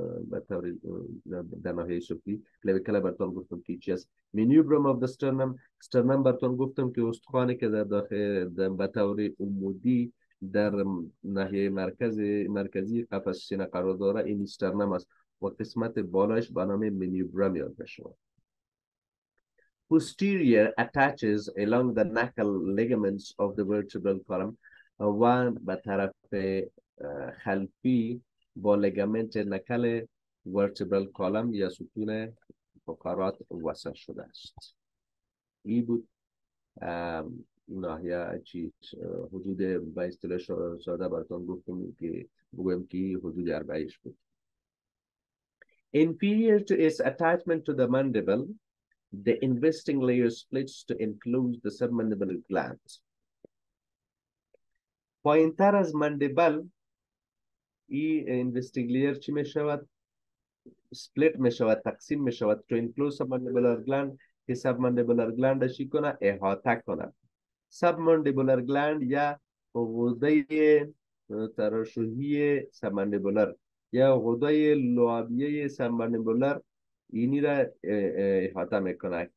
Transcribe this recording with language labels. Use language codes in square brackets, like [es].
[fa] به طور در ناحیه سفلی کلاویکل برتون گفتم که چی است منیوبرم آف ده سترنم سترنم برتون گفتم که استخوانی که در داخل به طور عمودی در ناحیه مرکزی قفس سینه قرار داره این سترنم است و قسمت بالایش به نام منیوبرم یاد بشه. [en] Posterior attaches along the knuckle ligaments of the vertebral column [fa] و به طرف خلفی با لگمنت نکل ورتبرال کالم یا ستون فقرات وصل شده است. این بود ناحیه چیز حدود به اصطلاح ساده براتون گفتم که بگویم که حدود اربعیش بود. [en] Inferior to its attachment to the mandible, the investing layer splits to enclose the submandibular gland. [fa] پایین‌تر از مندیبل این investing layer چی می شود؟ split می شود، تقسیم می شود [en] to enclose submandibular gland [fa] که submandibular gland چی کنه؟ احاطه کنه. Submandibular gland یا غده ترشوهی submandibular یا غده لعابیه submandibular اینی را احاطه میکنه.